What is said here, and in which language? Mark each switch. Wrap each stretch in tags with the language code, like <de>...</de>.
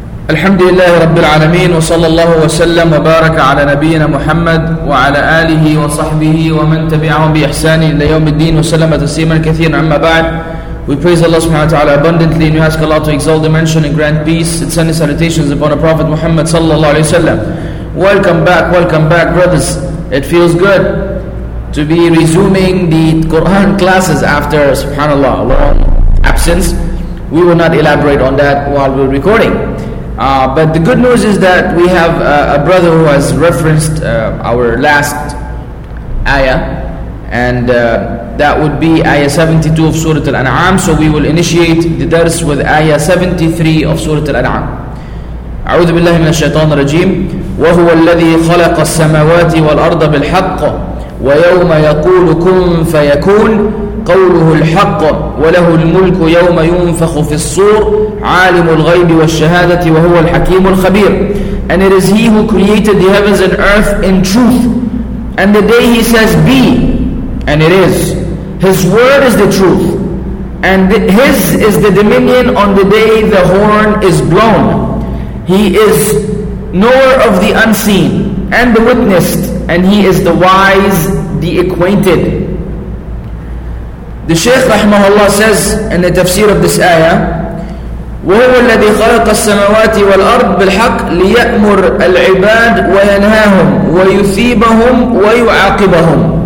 <ar>الحمد لله رب العالمين وصلى الله وسلم وبارك على نبينا محمد وعلى آله وصحبه ومن تبعهم بإحسان إلى يوم الدين وسلم تسليما كثيرا أما بعد.</ar> <en>We praise Allah subhanahu wa ta'ala abundantly and we ask Allah to exalt the mention and grant peace and send his salutations upon the Prophet Muhammad sallallahu alayhi wa sallam. Welcome back brothers. It feels good to be resuming the Quran classes after, subhanAllah, a long absence. We will not elaborate on that while we're recording. But the good news is that we have a brother who has referenced our last ayah, and that would be ayah 72 of Surah Al-An'am. So we will initiate the dars with ayah 73 of Surah Al-An'am.</en> <ar>أعوذ بالله من الشيطان الرجيم وهو الذي خلق السماوات والأرض بالحق ويوم يقول كن فيكون قوله الحق وله الملك يوم ينفخ في الصور عالم الغيب والشهادة وهو الحكيم الخبير.</ar> <en>And it is he who created the heavens and earth in truth, and the day he says be, and it is, his word is the truth, and his is the dominion on the day the horn is blown. He is knower of the unseen and the witnessed, and he is the wise, the acquainted. The Shaykh rahmahullah says in the tafsir of this ayah,</en> <ar>وَهُوَ الَّذِي خَلَقَ السَّمَوَاتِ وَالْأَرْضِ بِالْحَقِّ لِيَأْمُرَ الْعِبَادِ وَيَنْهَاهُمْ وَيُثِيبَهُمْ وَيُعَاقِبَهُمْ.</ar>